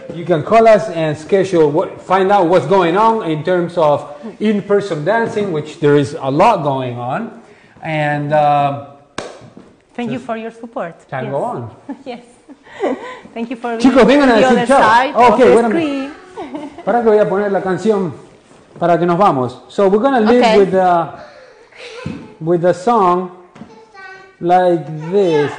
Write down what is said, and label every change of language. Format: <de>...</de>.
<en>You can call us and schedule, find out what's going on in terms of in-person dancing, which there is a lot going on. And thank you for your support. Can go on. Yes. Thank you for Chicos, being on the other side okay, of the screen.</en> <es>Para que voy a poner la canción para que nos vamos.</es> <en>So we're going to leave with the song like this.</en>